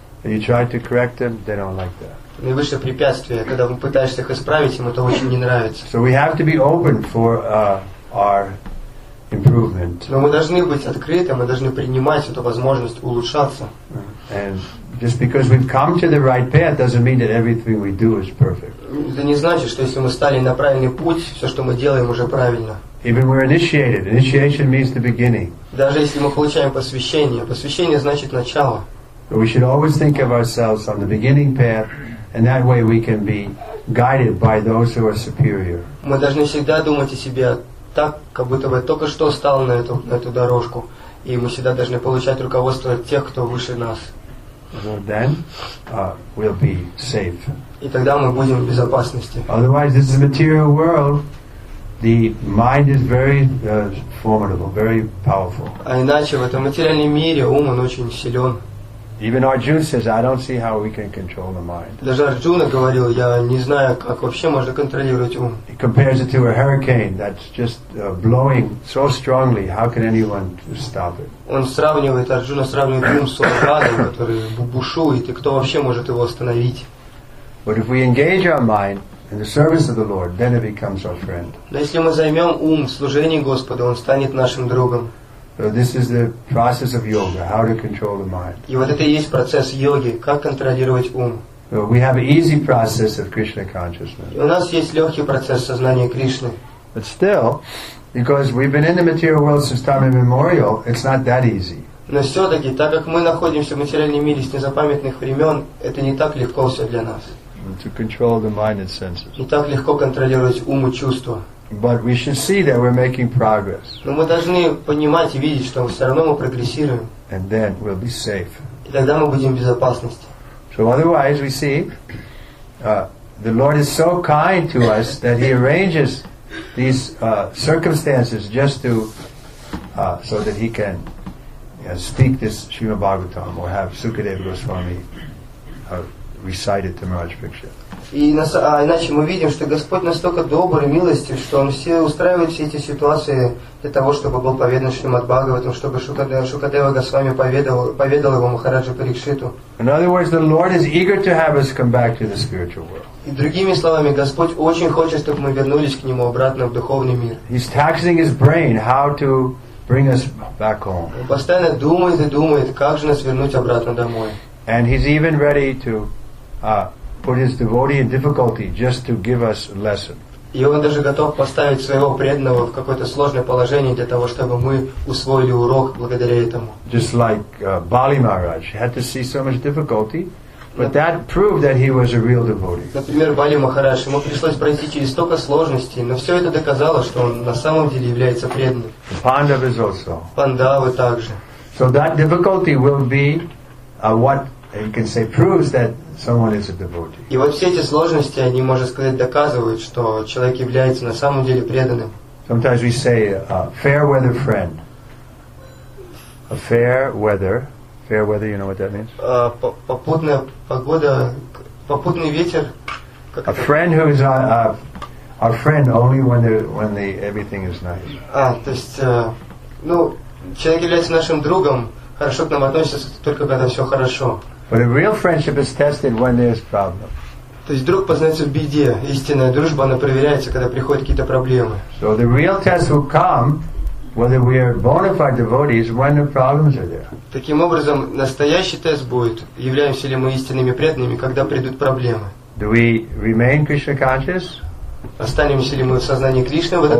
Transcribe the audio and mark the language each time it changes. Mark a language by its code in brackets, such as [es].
[en] And you try to correct them, they don't like that. [ru] Наивысшее препятствие, когда вы пытаешься их исправить, им это очень не нравится. [en] So we have to be open for our improvement. [ru] Но мы должны быть открыты, мы должны принимать эту возможность улучшаться. [en] And just because we've come to the right path doesn't mean that everything we do is perfect. [ru] Это не значит, что если мы стали на правильный путь, все, что мы делаем, уже правильно. [en] Even we're initiated. Initiation means the beginning. [ru] Даже если мы получаем посвящение, посвящение значит начало. [en] But we should always think of ourselves on the beginning path, and that way we can be guided by those who are superior. [ru] Мы должны всегда думать о себе так, как будто бы только что стал на эту дорожку, и мы всегда должны получать руководство от тех, кто выше нас. [en] So then we'll be safe. [ru] И тогда мы будем в безопасности. [en] Otherwise, this is a material world. The mind is very formidable, very powerful. [ru] А иначе в этом материальном мире ум он очень силен. [en] Even Arjuna says, I don't see how we can control the mind. [ru] Даже Арджуна говорил, я не знаю, как вообще можно контролировать ум. [en] He compares it to a hurricane that's just blowing so strongly. How can anyone stop it? [ru] Он сравнивает, Арджуна сравнивает ум с ураганом, который бушует, и кто вообще может его остановить? [en] But if we engage our mind in the service of the Lord, then it becomes our friend. [ru] Но если мы займем ум в служении Господу, он станет нашим другом. [en] So this is the process of yoga, how to control the mind. [ru] И вот это и есть процесс йоги, как контролировать ум. [en] So we have an easy process of Krishna consciousness. [ru] И у нас есть легкий процесс сознания Кришны. [en] But still, because we've been in the material world since time immemorial, it's not that easy. [ru] Но все-таки, так как мы находимся в материальном мире с незапамятных времен, это не так легко все для нас. [en] To control the mind and senses. [ru] Не так легко контролировать ум и чувства. [en] But we should see that we're making progress. [ru] Но мы должны понимать и видеть, что все равно мы прогрессируем. [en] And then we'll be safe. [ru] И тогда мы будем в безопасности. [en] So otherwise, we see the Lord is so kind to us that He arranges these circumstances just to so that He can speak this Srimad Bhagavatam or have Sukadeva Goswami recite it to Maharaj Pariksit. [ru] И иначе мы видим, что Господь настолько добр и милостив, что Он все устраивает все эти ситуации для того, чтобы был поведан Шримад Бхагаватам, чтобы Шукадева Госвами поведал его Махараджу Парикшиту. И другими словами, Господь очень хочет, чтобы мы вернулись к Нему обратно в духовный мир. [en] He's taxing his brain how to bring us back home. [ru] Он постоянно думает и думает, как же нас вернуть обратно домой. [en] And he's even ready to put his devotee in difficulty just to give us a lesson. [ru] И он даже готов поставить своего преданного в какое-то сложное положение для того, чтобы мы усвоили урок благодаря этому. [en] Just like Bali Maharaj had to see so much difficulty, but that proved that he was a real devotee. [ru] Например, Бали Махарадж, ему пришлось пройти через столько сложностей, но все это доказало, что он на самом деле является преданным. [en] The Pandavas also. [ru] Пандавы также. [en] So that difficulty will be what you can say proves that someone is a devotee. [ru] И вот все эти сложности, они, можно сказать, доказывают, что человек является на самом деле преданным. [en] Sometimes we say a fair weather friend. A fair weather. Fair weather, you know what that means? [ru] Попутная погода, попутный ветер. [en] A friend who is our friend only when everything is nice. [ru] То есть, ну, человек является нашим другом, хорошо к нам относится только когда все хорошо. [en] But a real friendship is tested when there is problem. [ru] То есть друг познается в беде. Истинная дружба, она проверяется, когда приходят какие-то проблемы. [en] So the real test will come whether we are bona fide devotees when the problems are there. [ru] Таким образом, настоящий тест будет, являемся ли мы истинными преданными, когда придут проблемы. [en] Do we remain Krishna conscious? [ru] Останемся ли мы в сознании Кришны в этот